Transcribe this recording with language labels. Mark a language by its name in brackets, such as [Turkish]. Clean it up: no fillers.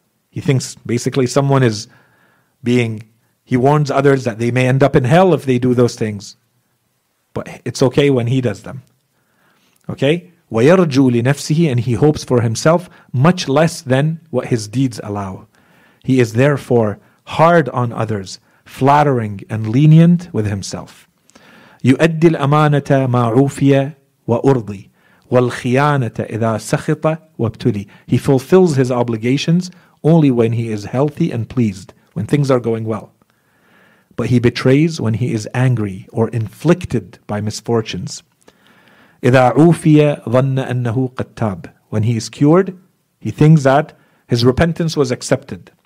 [English] He thinks basically someone is being, he warns others that they may end up in hell if they do those things. But it's okay when he does them. Okay? [Arabic] ويرجو لنفسه, [English] and he hopes for himself much less than what his deeds allow. He is therefore hard on others, flattering and lenient with himself. [Arabic] يؤدي الأمانة ما عوفي وأرضي والخيانة إذا سخط وابتلي. [English] He fulfills his obligations only when he is healthy and pleased, when things are going well. But he betrays when he is angry or inflicted by misfortunes. [Arabic] إذا عوفي ظن أنه قد تاب. [English] When he is cured, he thinks that his repentance was accepted.